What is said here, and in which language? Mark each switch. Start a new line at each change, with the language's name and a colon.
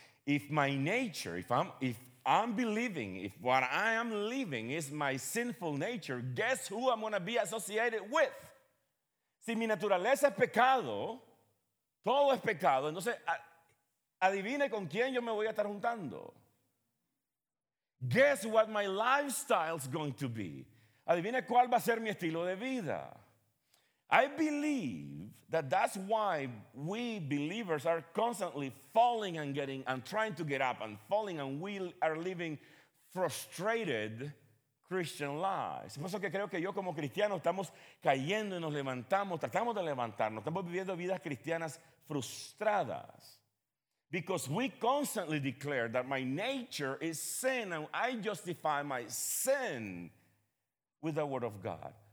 English: If my nature, if I'm believing, if what I am living is my sinful nature, guess who I'm going to be associated with?
Spanish: Si mi naturaleza es pecado, todo es pecado, entonces adivine con quién yo me voy a estar juntando.
English: Guess what my lifestyle's going to be.
Spanish: Adivine cuál va a ser mi estilo de vida.
English: I believe that's why we believers are constantly falling and getting and trying to get up and falling, and we are living frustrated Christian lives.
Spanish: Es por eso que creo que yo como cristiano estamos cayendo y nos levantamos, tratamos de levantarnos, estamos viviendo vidas cristianas frustradas.
English: Because we constantly declare that my nature is sin and I justify my sin with the word of God.